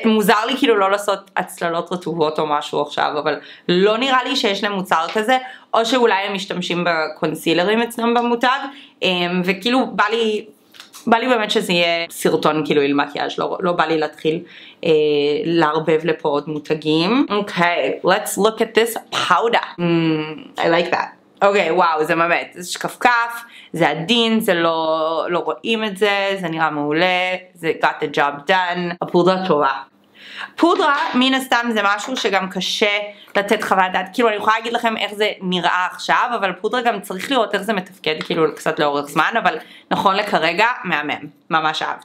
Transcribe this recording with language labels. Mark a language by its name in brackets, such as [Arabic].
[Hebrew] מוזר לי כאילו לא לעשות הצללות רטובות או משהו עכשיו, אבל לא נראה לי שיש להם מוצר כזה, או שאולי הם משתמשים בקונסילרים אצלם במותג, וכאילו בא לי... בא לי באמת שזה יהיה סרטון כאילו עם מקיאז', לא בא לי להתחיל להרבב לפה עוד מותגים. [English] אוקיי, let's look at this powder. I like that. [Hebrew] אוקיי, וואו, זה באמת, זה שקפקף, זה עדין, זה לא רואים את זה, זה נראה מעולה, זה [English] got the job done. [Hebrew] הפודרה טובה. פודרה, מן הסתם, זה משהו שגם קשה לתת חוות דעת. כאילו, אני יכולה להגיד לכם איך זה נראה עכשיו, אבל פודרה גם צריך לראות איך זה מתפקד, כאילו, קצת לאורך זמן, אבל נכון לכרגע, מהמם. ממש אהב.